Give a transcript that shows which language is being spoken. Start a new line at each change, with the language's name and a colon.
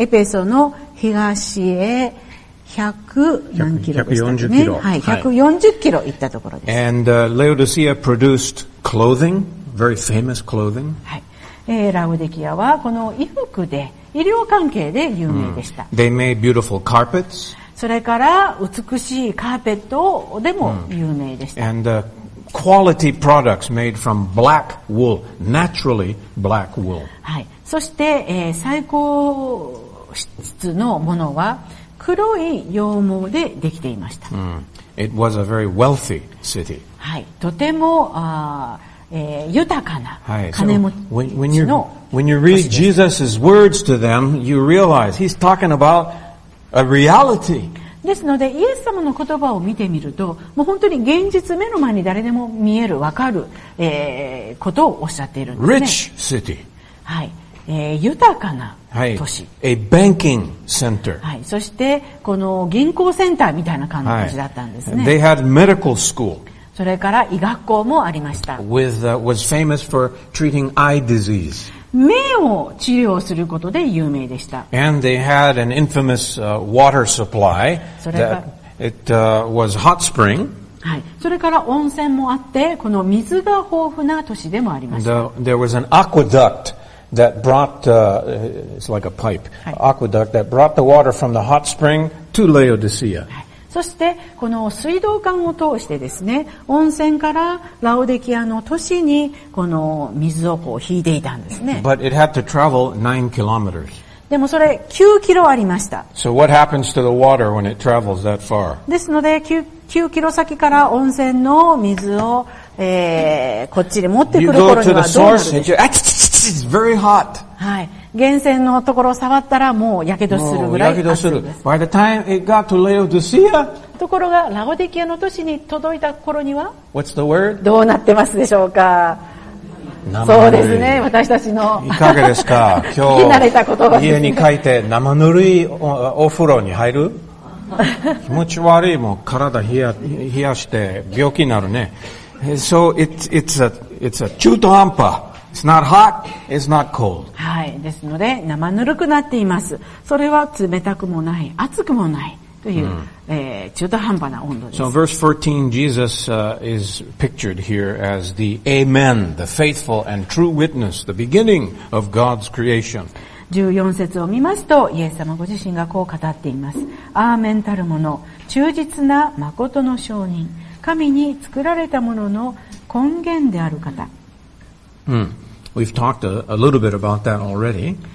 Japanese: エペソの東へ140キロ行ったところです。
English: And Laodicea produced clothing, very famous clothing.
Japanese: ラオデキアはこの衣服で、医療関係で有名でした。
English: They made beautiful carpets.
Japanese: それから美しいカーペットでも有名でした。
English: And quality products made from black wool, naturally black wool.
Japanese: はい。そして、最高質のものは黒い羊毛でできていました。
English: It was a very wealthy city.
Japanese: はい。とても、豊かな金持ちの都市です。
English: So, when you read Jesus' words to them, you realize he's talking about a reality.
Japanese: ですので、イエス様の言葉を見てみると、もう本当に現実目の前に誰でも見える、わかる、ことをおっしゃっているんですね。
English: Rich city.
Japanese: はい。豊かな都市。
English: A banking center.
Japanese: はい。そして、この銀行センターみたいな感じだったんですね。
English: They had medical school.
Japanese: それから医学校もありました。
English: was famous for treating eye disease.
Japanese: 目を治療することで有名でした。
English: And they had an infamous water supply that it was hot spring.
Japanese: はい。それから温泉もあって、この水が豊富な都市でもありました。
English: There was an aqueduct that brought it's like a pipe aqueduct that brought the water from the hot spring to Laodicea.
Japanese: そしてこの水道管を通してですね、温泉からラオデキアの都市にこの水をこう引いていたんですね。
English: But it had to travel 9 kilometers.
Japanese: でもそれ9キロありました。
English: So what happens to the water when it travels that far?
Japanese: ですので 9キロ先から温泉の水を、こっちで持ってくるところにはどうなるでしょう?
English: You go to the source and you're, it's very hot.
Japanese: はい。源泉のところを触ったらもう火傷するぐらい熱いです。
English: By the time it got to Laodicea,
Japanese: ところがラオデキアの都市に届いた頃には、
English: What's the word?
Japanese: どうなってますでしょうか。そうですね、私たちのいかがですか。今日聞き慣れた言葉、ね、家に帰って生ぬるい お風呂に入る。気持ち悪い、もう体冷やして病気になるね。
English: So it's a 中途半端。It's not hot, it's not cold.
Japanese: はい。ですので、生ぬるくなっています。それは冷たくもない、熱くもないという、中途半端な温度です。
English: So verse 14, Jesus is pictured here as the Amen, the faithful and true witness, the beginning of God's creation.
Japanese: 14節を見ますと、イエス様ご自身がこう語っています。アーメンたるもの、忠実な誠の証人、神に作られたものの根源である方。
English: We've talked a little bit about that already.